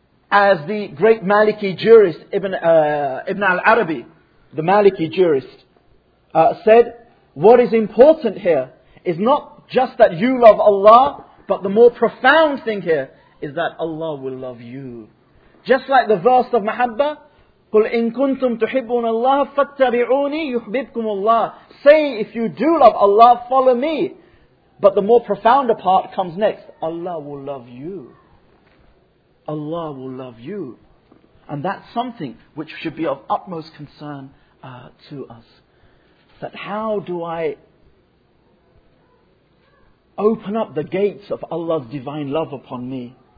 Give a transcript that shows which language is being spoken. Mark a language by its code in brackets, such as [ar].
[en] As the great Maliki jurist, Ibn al-Arabi, the Maliki jurist, said, what is important here is not just that you love Allah, but the more profound thing here is that Allah will love you. [ar] Just like the verse of Mahabbah, قُلْ إِن كُنْتُمْ تُحِبُّونَ اللَّهَ فَاتَّبِعُونِي يُحْبِبْكُمُ اللَّهِ. [en] Say, if you do love Allah, follow me. But the more profounder part comes next. Allah will love you. Allah will love you. And that's something which should be of utmost concern to us. That how do I open up the gates of Allah's divine love upon me?